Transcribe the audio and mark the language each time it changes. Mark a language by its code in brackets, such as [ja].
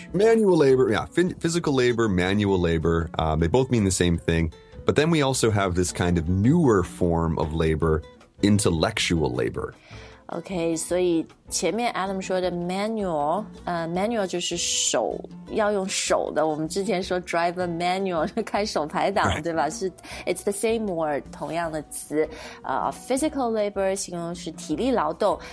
[en] Manual labor, yeah. Physical labor, manual labor,、they both mean the same thing. But then we also have this kind of newer form of labor, intellectual labor. [zh] Okay, 所以前面 Adam 说的 manual,、manual 就是手,要用手的。我们之前说 [en] drive a manual, [zh] 开手排档、right. 对吧是 [en] It's the same word, [zh] 同样的词、physical labor, 形容是体力劳动。